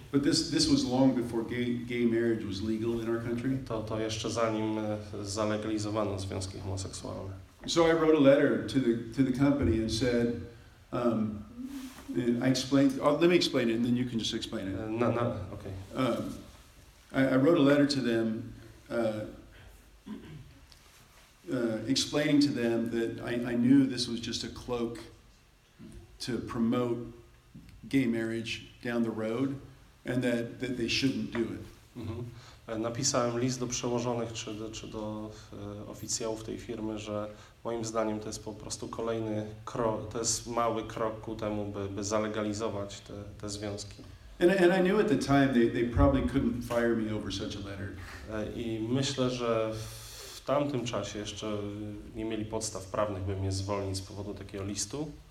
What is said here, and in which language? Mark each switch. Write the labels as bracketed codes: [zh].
[en] But this was long before gay marriage was legal in our country. [pl] To jeszcze zanim zalegalizowano związki homoseksualne. [en] So I wrote a letter to the company and said, and I explained. Oh, let me explain it, and then you can just explain it. No, okay. I wrote a letter to them. Explaining to them that I knew this was just a cloak to promote gay marriage down the road, and that they shouldn't do it. Mm-hmm. [pl] Napisałem list do przełożonych czy do oficjałów tej firmy, że moim zdaniem to jest po prostu kolejny krok, to jest mały krok ku temu, by zalegalizować te związki. [en] And I knew at the time they probably couldn't fire me over such a letter. [pl] I myślę, że w tamtym czasie jeszcze nie mieli podstaw prawnych, by mnie zwolnić z powodu takiego listu.